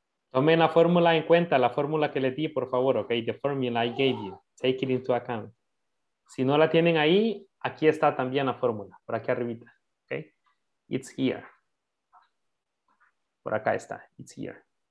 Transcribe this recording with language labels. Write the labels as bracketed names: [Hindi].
[Spanish] Tomen la fórmula en cuenta, la fórmula que le di, por favor, okay? [English] The formula I gave you, take it into account. [Spanish] Si no la tienen ahí, aquí está también la fórmula, por aquí arribita, okay? [English] It's here. [Spanish] Por acá está, [English] it's here.